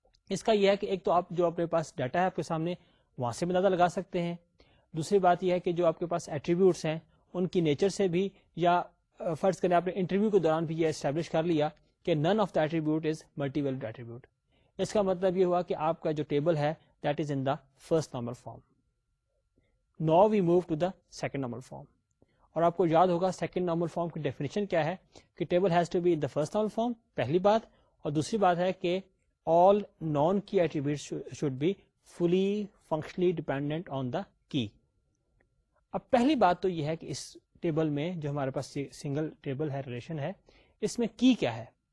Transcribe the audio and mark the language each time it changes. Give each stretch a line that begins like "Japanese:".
Urdu: اس کا یہ ہے کہ ایک تو آپ جو اپنے پاس ڈیٹا ہے آپ کے سامنے وہاں سے بھی اندازہ لگا سکتے ہیں, دوسری بات یہ ہے کہ جو آپ کے پاس ایٹریبیوٹس ہیں ان کی نیچر سے بھی, یا فرض کریں آپ نے انٹرویو کے دوران بھی یہ اسٹیبلش کر لیا کہ
English: none of the attribute is multi valued attribute,
Urdu: اس کا مطلب یہ ہوا کہ آپ کا جو ٹیبل ہے
English: That is in the first normal form. Now we move to the second normal form.
Urdu: اور آپ کو یاد ہوگا سیکنڈ نارمل فارم کی ڈیفینیشن کیا ہے, کہ
English: table has to be in the first normal form
Urdu: پہلی بات, اور دوسری بات ہے کہ
English: All non key attribute should be fully functionally dependent on the key.
Urdu: اب پہلی بات تو یہ ہے کہ اس ٹیبل میں جو ہمارے پاس سنگل ٹیبل ہے ریلیشن ہے اس میں کی کیا ہے.